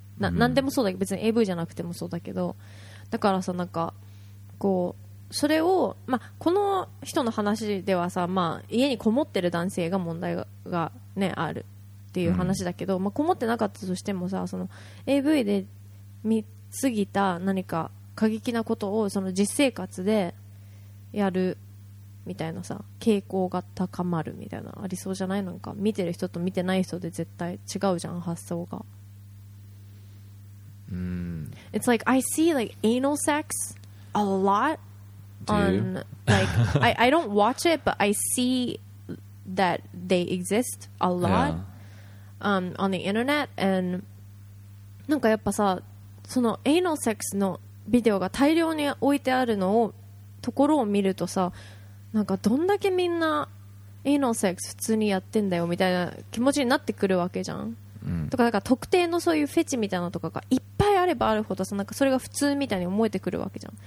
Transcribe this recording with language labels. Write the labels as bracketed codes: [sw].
[ja] な、何でもそうだけど、別に AV じゃなくてもそうだけど、だからさ、なんかこうそれを、まあ、この人の話ではさ、まあ、家にこもってる男性が問題 が、ね、あるっていう話だけど、まあ、こもってなかったとしてもさ、その AV で見すぎた何か過激なことをその実生活でやるみたいなさ、傾向が高まるみたいな、ありそうじゃない？なんか見てる人と見てない人で絶対違うじゃん、発想が。 [en] It's like I see like anal sex a lot on like I don't watch it, but I see that they exist a lot、on the internet. [ja] And なんかやっぱさ、その anal sex のビデオが大量に置いてあるのをところを見るとさ、なんかどんだけみんなエイノセックス普通にやってんだよみたいな気持ちになってくるわけじゃん、とかなんか特定のそういうフェチみたいなとかがいっぱいあればあるほどさ、なんかそれが普通みたいに思えてくるわけじゃん。